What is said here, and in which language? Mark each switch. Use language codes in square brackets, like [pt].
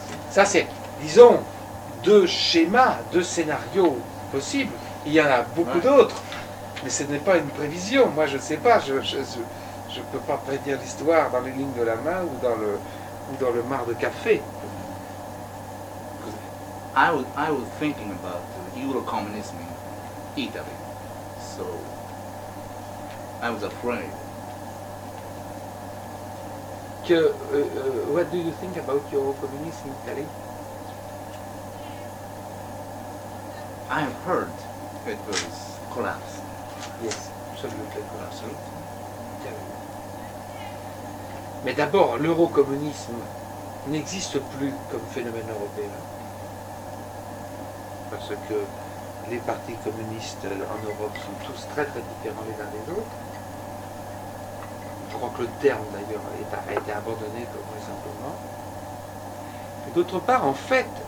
[fr] Ça, c'est, disons, deux schémas, deux scénarios possibles. Il y en a beaucoup d'autres, mais ce n'est pas une prévision. Moi, je ne sais pas, je ne peux pas prédire l'histoire dans les lignes de la main ou dans le marc de café. [en] I was thinking about Eurocommunism in Italy. So, I was afraid. What do you think about your communism in Italy? I have heard it was collapsed. Yes, absolutely collapsed. Italy. [fr] Mais d'abord, l'eurocommunisme n'existe plus comme phénomène européen. Parce que les partis communistes en Europe sont tous très très différents les uns des autres. Je crois que le terme, d'ailleurs, a été abandonné, comme récemment. Et d'autre part, en fait,